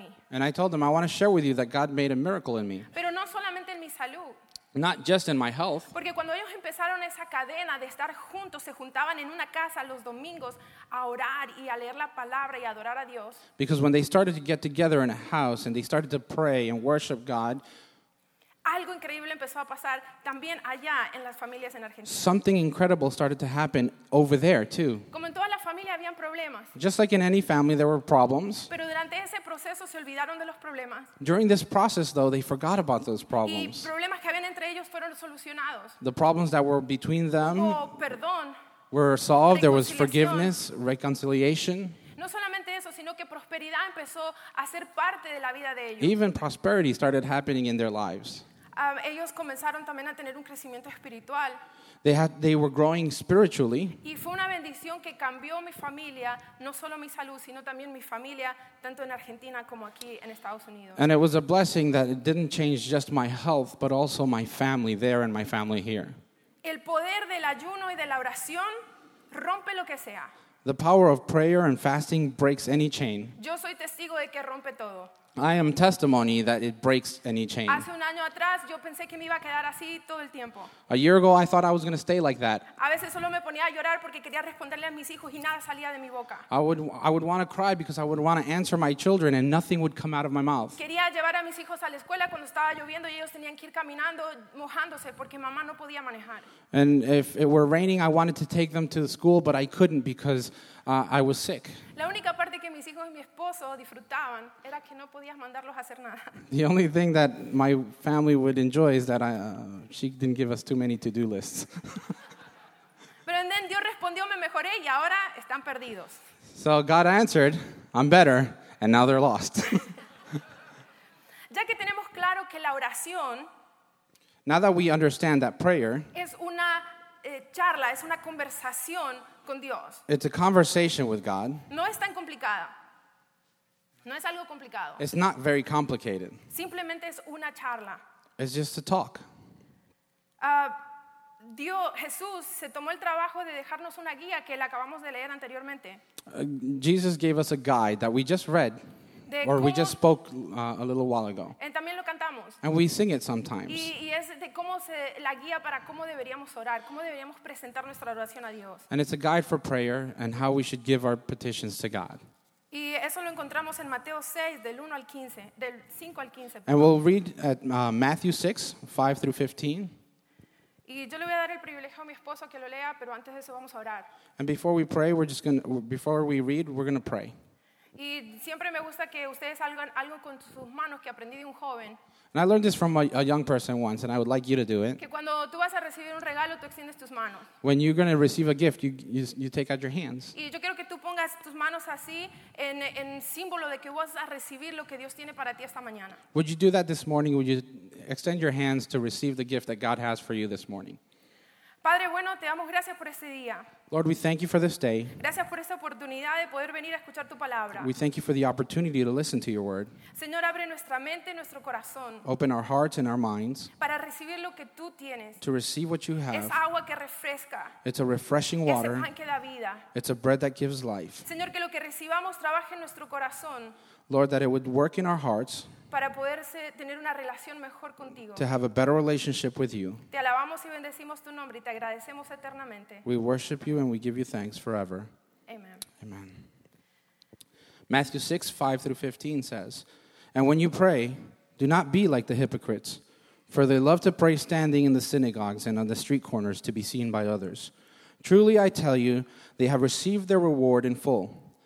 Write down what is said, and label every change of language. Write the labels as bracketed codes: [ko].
[en] And I told them, I want to share with you that God made a miracle in me. [es] Pero no solamente en mi salud. [en] Not just in my health. [es] Porque cuando ellos empezaron esa cadena de estar juntos, se juntaban en una casa los domingos a orar y a leer la palabra y a adorar a Dios. [en] Because when they started to get together in a house and they started to pray and worship God, [es] algo increíble empezó a pasar también allá en las familias en Argentina. [en] Something incredible started to happen over there too. [es] Como en toda la familia habían problemas. [en] Just like in any family there were problems. [es] Pero durante ese proceso se olvidaron de los problemas. [en] During this process though they forgot about those problems. [es] Y problemas que habían entre ellos fueron solucionados. [en] The problems that were between them [es] perdón, [en] were solved. There was forgiveness, reconciliation. [es] No solamente eso, sino que prosperidad empezó a ser parte de la vida de ellos. [en] Even prosperity started happening in their lives. [es] Ellos comenzaron también a tener un crecimiento espiritual. [en] They were growing spiritually. [es] Y fue una bendición que cambió mi familia, no solo mi salud, sino también mi familia, tanto en Argentina como aquí en Estados Unidos. [en] And it was a blessing that it didn't change just my health, but also my family there and my family here. [es] El poder del ayuno y de la oración rompe lo que sea. [en] The power of prayer and fasting breaks any chain. [es] Yo soy testigo de que rompe todo. [en] I am testimony that it breaks any chain. [es] Hace un año atrás, yo pensé que me iba a quedar así todo el tiempo. [en] A year ago, I thought I was going to stay like that. [es] A veces solo me ponía a llorar porque quería responderle a mis hijos y nada salía de mi boca. [en] I would want to cry because I would want to answer my children and nothing would come out of my mouth. [es] Quería llevar a mis hijos a la escuela cuando estaba lloviendo y ellos tenían que ir caminando, mojándose porque mamá no podía manejar. [en] And if it were raining, I wanted to take them to the school, but I couldn't because I was sick. [es] La única parte que mis hijos y mi esposo disfrutaban era que no podías mandarlos a hacer nada. [en] The only thing that my family would enjoy is that she didn't give us too many to-do lists. [es] Pero entonces Dios respondió, me mejoré y ahora están perdidos. [en] So God answered, I'm better, and now they're lost. [es] Ya que tenemos claro que la oración, [en] now that we understand that prayer, [es] es una charla, es una conversación. [en] It's a conversation with God. [es] No es tan complicada. No es algo complicado. [en] It's not very complicated. [es] Simplemente es una charla. [en] It's just a talk. [es] Jesús se tomó el trabajo de dejarnos una guía que la acabamos de leer anteriormente. [en] Jesus gave us a guide that we just read, or we just spoke a little while ago. [es] And también lo cantamos. [en] And we sing it sometimes. [es] Y es de cómo se la guía para cómo deberíamos orar, cómo deberíamos presentar nuestra oración a Dios. [en] And it's a guide for prayer and how we should give our petitions to God. [es] Y eso lo encontramos en Mateo 6 del 1 al 15, del 5 al 15. [en] And we'll read at Matthew 6, 5 through 15. [es] Y yo le voy a dar el privilegio a mi esposo que lo lea, pero antes de eso vamos a orar. [en] And before we pray, before we read, we're going to pray. [es] Y siempre me gusta que ustedes hagan algo con sus manos que aprendí de un joven. [en] And I learned this from a young person once, and I would like you to do it. [es] Que cuando tú vas a recibir un regalo, tú extiendes tus manos. [en] When you're going to receive a gift, you take out your hands. [es] Y yo quiero que tú pongas tus manos así en símbolo de que vas a recibir lo que Dios tiene para ti esta mañana. [en] Would you do that this morning? Would you extend your hands to receive the gift that God has for you this morning? [es] Padre bueno, te damos gracias por este día. [en] Lord, we thank you for this day. [es] Gracias por esta oportunidad de poder venir a escuchar tu palabra. [en] We thank you for the opportunity to listen to your word. [es] Señor, abre nuestra mente y nuestro corazón. [en] Open our hearts and our minds. [es] Para recibir lo que tú tienes. [en] To receive what you have. [es] Es agua que refresca. [en] It's a refreshing water. [es] Es el pan que da vida. [en] It's a bread that gives life. [es] Señor, que lo que recibamos trabaje en nuestro corazón. [en] Lord, that it would work in our hearts. [es] Para poder tener una relación mejor contigo. [en] To have a better relationship with you. [es] Te alabamos y bendecimos tu nombre y te agradecemos eternamente. [en] We worship you and we give you thanks forever. Amen. Amen. Matthew 6, 5 through 15 says, "And when you pray, do not be like the hypocrites, for they love to pray standing in the synagogues and on the street corners to be seen by others. Truly I tell you, they have received their reward in full.